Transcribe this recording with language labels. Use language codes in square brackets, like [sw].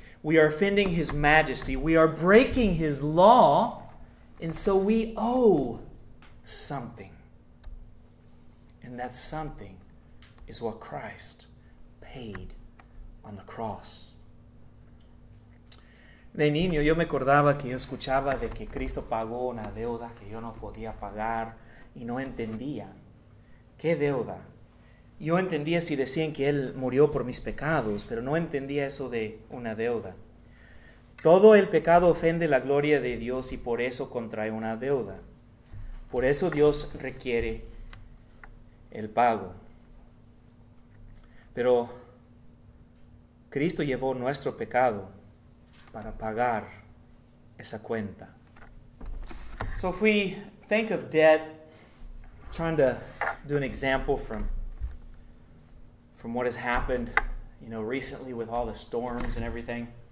[en] We are offending His majesty. We are breaking His law. And so we owe something. And that something is what Christ paid on the cross. [es] De niño, yo me acordaba que yo escuchaba de que Cristo pagó una deuda que yo no podía pagar y no entendía. ¿Qué deuda? Yo entendía si decían que Él murió por mis pecados, pero no entendía eso de una deuda. Todo el pecado ofende la gloria de Dios y por eso contrae una deuda. Por eso Dios requiere el pago. Pero Cristo llevó nuestro pecado para pagar esa cuenta. [en] So if we think of debt, trying to do an example from what has happened, recently with all the storms and everything.